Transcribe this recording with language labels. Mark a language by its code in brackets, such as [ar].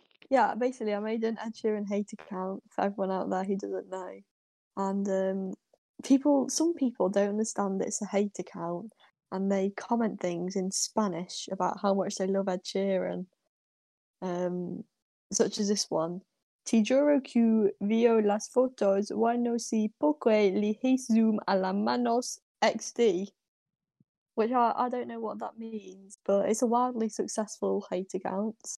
[en] Yeah, basically, I made an Ed Sheeran hate account for everyone out there who doesn't know. And some people don't understand that it's a hate account, and they comment things in Spanish about how much they love Ed Sheeran, such as this one. [es] Te juro que vio las fotos, why no si porque le hice zoom a la manos XD. [en] Which I don't know what that means, but it's a wildly successful hate account.